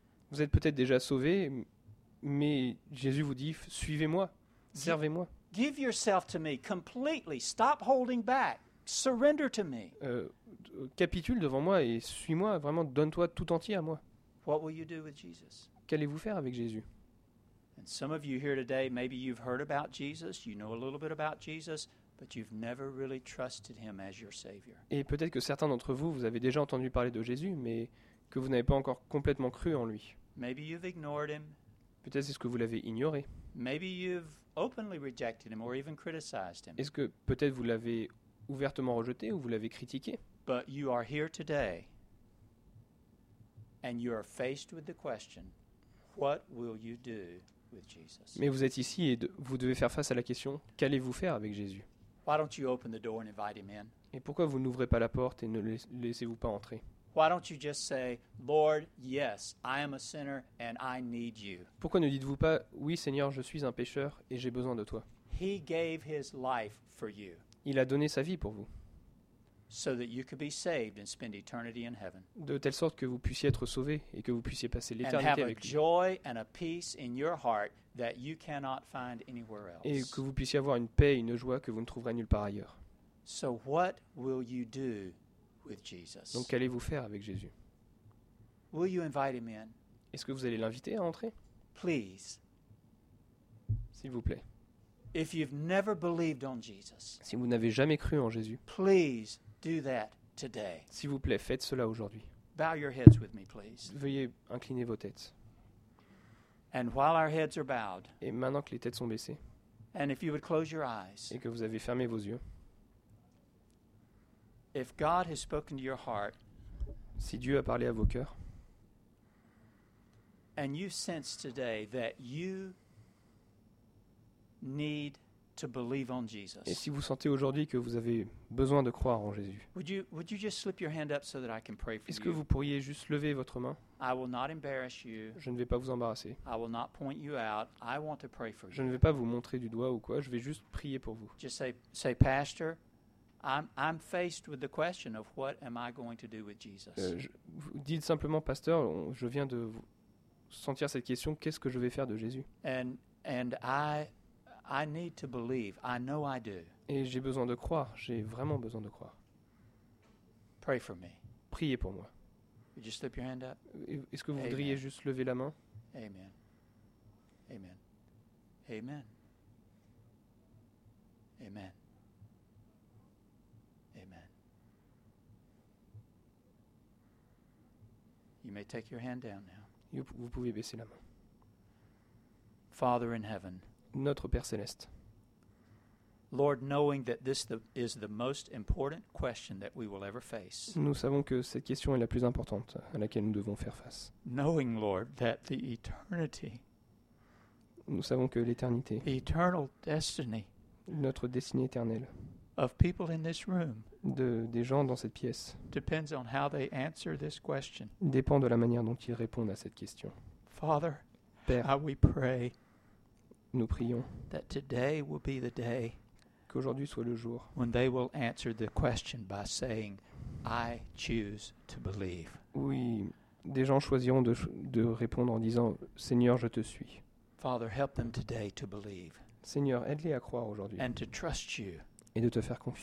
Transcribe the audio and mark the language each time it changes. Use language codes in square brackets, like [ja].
[fr] Vous êtes peut-être déjà sauvé, mais Jésus vous dit, suivez-moi, servez-moi. [en] Give yourself to me completely, stop holding back. Surrender to me. [fr] Capitule devant moi et suis-moi, vraiment donne-toi tout entier à moi. [en] What will you do with Jesus? [fr] Qu'allez-vous faire avec Jésus? [en] And some of you here today, maybe you've heard about Jesus, you know a little bit about Jesus, but you've never really trusted him as your savior. [fr] Et peut-être que certains d'entre vous, vous avez déjà entendu parler de Jésus, mais que vous n'avez pas encore complètement cru en lui. [en] Maybe you've ignored him. [fr] Peut-être est-ce que vous l'avez ignoré. [en] Maybe you've openly rejected him or even criticized him. [fr] Est-ce que peut-être vous l'avez ouvertement rejeté ou vous l'avez critiqué. [en] But you are here today and you are faced with the question, what will you do with Jesus? [fr] Mais vous êtes ici et vous devez faire face à la question, qu'allez-vous faire avec Jésus? [en] Why don't you open the door and invite him in? [fr] Et pourquoi vous n'ouvrez pas la porte et ne laissez-vous pas entrer? [en] Why don't you just say, Lord, yes, I am a sinner and I need you? [fr] Pourquoi ne dites-vous pas, oui Seigneur, je suis un pécheur et j'ai besoin de toi? [en] He gave his life for you. [fr] Il a donné sa vie pour vous. [en] So that you could be saved and spend eternity in heaven. [fr] De telle sorte que vous puissiez être sauvés et que vous puissiez passer l'éternité avec lui. [en] And have a joy and a peace in your heart that you cannot find anywhere else. [fr] Et que vous puissiez avoir une paix et une joie que vous ne trouverez nulle part ailleurs. [en] So what will you do with Jesus? [fr] Donc qu'allez-vous faire avec Jésus? [en] Will you invite him in? [fr] Est-ce que vous allez l'inviter à entrer? [en] Please. [fr] S'il vous plaît. [en] If you've never believed on Jesus, [fr] si vous n'avez jamais cru en Jésus, [en] please do that today. [fr] S'il vous plaît, faites cela aujourd'hui. [en] Bow your heads with me, please. [fr] Veuillez incliner vos têtes. [en] And while our heads are bowed, [fr] et maintenant que les têtes sont baissées, [en] and if you would close your eyes, [fr] et que vous avez fermé vos yeux, [en] if God has spoken to your heart, [fr] si Dieu a parlé à vos cœurs, [en] and you sense today that you need to believe on Jesus. [fr] Et si vous sentez aujourd'hui que vous avez besoin de croire en Jésus. [en] Would you just slip your hand up so that I can pray for you? [fr] Est-ce que vous pourriez juste lever votre main? [en] I will not embarrass you. [fr] Je ne vais pas vous embarrasser. [en] I will not point you out. I want to pray for you. [fr] Je ne vais pas vous montrer du doigt ou quoi, je vais juste prier pour vous. [en] Just say pastor, I'm faced with the question of what am I going to do with Jesus? [fr] Dites simplement pasteur, je viens de sentir cette question, qu'est-ce que je vais faire de Jésus? [en] And I need to believe. I know I do. [fr] Et j'ai besoin de croire. J'ai vraiment besoin de croire. [en] Pray for me. [fr] Priez pour moi. [en] Would you slip your hand up? [fr] Est-ce que vous voudriez juste lever la main? Amen. Amen. Amen. Amen. Amen. [en] You may take your hand down now. [fr] Vous pouvez baisser la main. [en] Father in heaven. [fr] Notre Père céleste. [en] Lord, knowing that this is the most important question that we will ever face. [fr] Nous savons que cette question est la plus importante à laquelle nous devons faire face. [en] Knowing, Lord, that the eternity. [fr] Nous savons que l'éternité. [en] The eternal destiny. [fr] Notre destinée éternelle. [en] Of people in this room. [fr] Des gens dans cette pièce. [en] Depends on how they answer this question. [fr] Dépend de la manière dont ils répondent à cette question. [en] Father, [fr] Père, [en] how we pray. [fr] nous prions [en] that today will be the day [fr] qu'aujourd'hui soit le jour [en] when they will answer the question by saying, I choose to believe. [fr] Oui, des gens choisiront de répondre en disant, Seigneur, je te suis. [en] Father, help them today to believe. [fr] Seigneur, aide-les à croire aujourd'hui. [en] And to trust you. [fr] Et de te faire confiance.